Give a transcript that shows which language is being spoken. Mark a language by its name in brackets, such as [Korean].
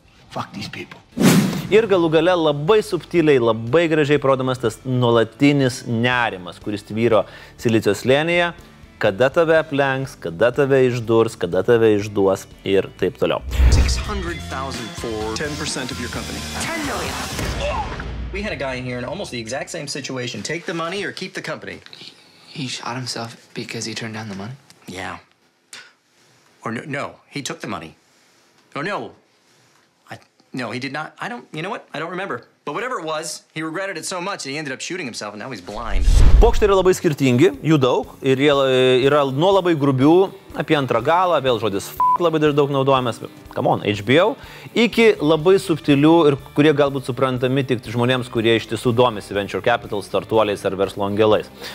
[English] Fuck these people. [Lithuanian] Ir galų gale labai subtiliai, labai gražiai parodomas tas nuolatinis nerimas, kuris tvyro Silicio slėnyje, kada tave aplenks, kada tave išdurs, kada tave išduos ir taip toliau. [English] 600,000 for 10% of your company. 10 million. We had a guy in here in almost the exact same situation. Take the money or keep the company. He shot himself because he turned down the money? Yeah. Or no, he took the money. Or no. No, he did not. I don't, you know what? I don't remember. But whatever it was, he regretted it so much that he ended up shooting himself and now he's blind. [Lithuanian] Pokštai yra labai skirtingi, jų daug, ir jie yra nuo labai grubių, apie antrą galą, vėl žodis f**k labai daug naudojamas, [English] come on, [Lithuanian] HBO, iki labai subtilių ir kurie galbūt suprantami tik žmonėms, kurie iš tiesų domisi venture capital, startuoliais ar verslo angelais.